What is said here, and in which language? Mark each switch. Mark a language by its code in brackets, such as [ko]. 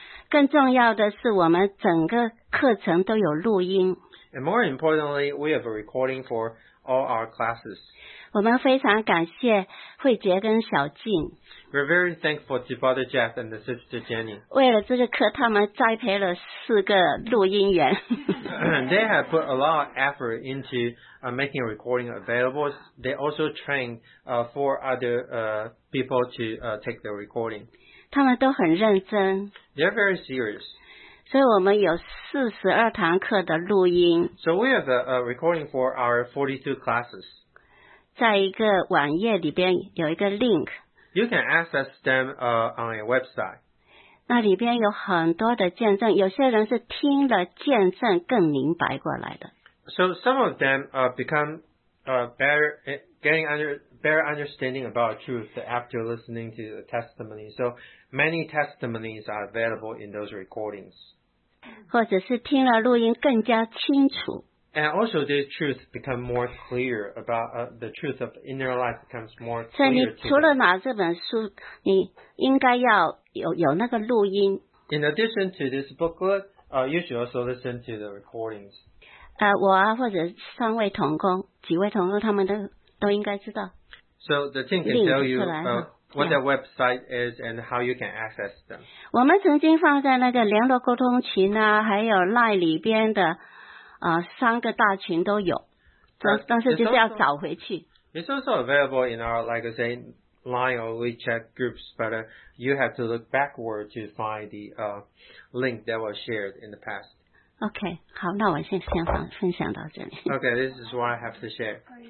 [zh] 更重要的是，我们整个课程都有录音。 [en] And more importantly, we have a recording for all our classes. [zh] 我们非常感谢慧杰跟小静。 [en] We're very thankful to Father Jeff and the Sister Jenny. [zh] 为了这个课，他们栽培了四个录音员。 [en] They have put a lot of effort into making a recording available. They also trained four other people to take the recording. [zh] 他们都很认真。 [en] They're very serious. [zh] 所以我们有42堂课的录音。 [en] So we have a recording for our 42 classes. [zh] 在一个网页里边有一个 link。 [en] You can access them on a website. [zh] 那里边有很多的见证，有些人是听了见证更明白过来的。 [en] So some of them become better understanding about truth after listening to the testimony. So many testimonies are available in those recordings. [zh] 或者是听了录音更加清楚。 [en] And also the truth becomes more clear about the truth of inner life becomes more clear. [zh] 所以你除了拿这本书，你应该要有那个录音。 [en] In addition to this booklet, you should also listen to the recordings. [zh] 我啊，或者三位同工，几位同工，他们都应该知道。 [en] So the team can tell you what their website is and how you can access them. [zh] 我们曾经放在那个联络沟通群啊，还有 LINE 里边的。三个大群都有，但是就是要找回去。 [en] It's also available in our, like I say, LINE or WeChat groups, but you have to look backward to find the link that was shared in the past. [zh] Okay, 好，那我先分享到这里。 [en] Okay, this is what I have to share.